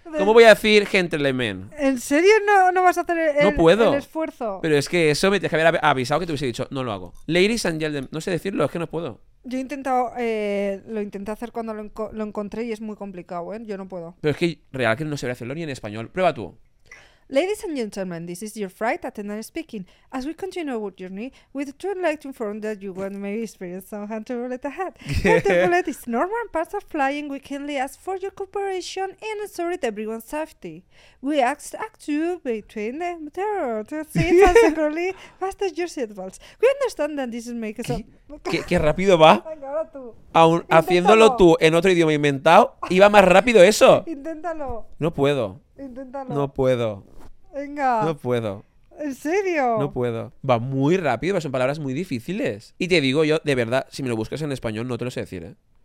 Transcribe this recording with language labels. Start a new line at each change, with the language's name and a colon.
Spanish: ¿Cómo voy a decir gentleman? ¿En serio no vas a hacer el esfuerzo? Pero es que eso me tienes que haber avisado que te hubiese dicho, no lo hago.
English: Ladies and gentlemen,
Spanish: no sé decirlo, es que no puedo. Yo he intentado, lo intenté hacer cuando lo encontré y es muy complicado, ¿eh? Yo no puedo. Pero es que real que no sabría hacerlo ni en español. Prueba tú.
English: Ladies and gentlemen, this is your flight attendant speaking. As we continue our journey, we'd truly like to inform that you will maybe experience some hand turbulence ahead. Hand turbulence is normal part of flying. We kindly ask for your cooperation in ensuring everyone's safety. We asked act you between the terror to seats and securely fasten your seatbelts. We understand that this is making some...
Spanish: ¿Qué rápido va? Venga, ahora tú. Aún haciéndolo tú en otro idioma inventado, iba más rápido eso. Inténtalo. No puedo. Inténtalo. No puedo. Venga. No puedo. ¿En serio? No puedo. Va muy rápido, son palabras muy difíciles. Y te digo yo, de verdad, si me lo buscas en español, no te lo sé decir, ¿eh?